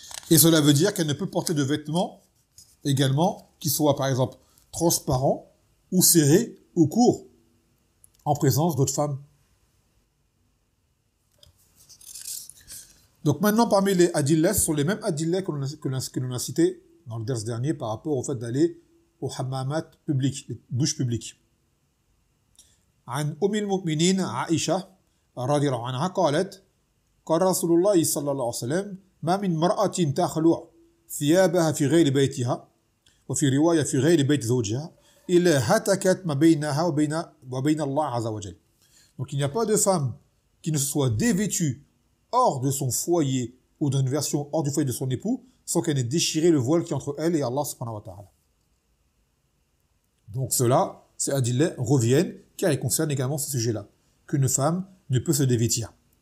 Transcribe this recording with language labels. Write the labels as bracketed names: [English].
[French] Et cela veut dire qu'elle ne peut porter de vêtements également qui soient, par exemple, transparents ou serrés ou courts en présence d'autres femmes. Donc maintenant, parmi les adillas, ce sont les mêmes adillas que l'on a cités dans le dernier dernier par rapport au fait d'aller au hammamat public, les douches publiques. [Arabic] عن أم المؤمنين عائشة رضي الله عنها قالت قال رسول الله صلى الله عليه وسلم ما من مرأة تخلو ثيابها في غير بيتها وفي رواية في غير بيت زوجها إلا هتكت ما بينها وبين الله عز وجل. [French] Donc il n'y a pas de femme qui ne soit dévêtue hors de son foyer ou d'une version hors du foyer de son époux sans qu'elle ait déchiré le voile qui est entre elle et Allah [Arabic] subhanahu wa ta'ala. [French] Donc cela, ces adillas reviennent, car ils concernent également ce sujet-là, qu'une femme ne peut se dévêtir.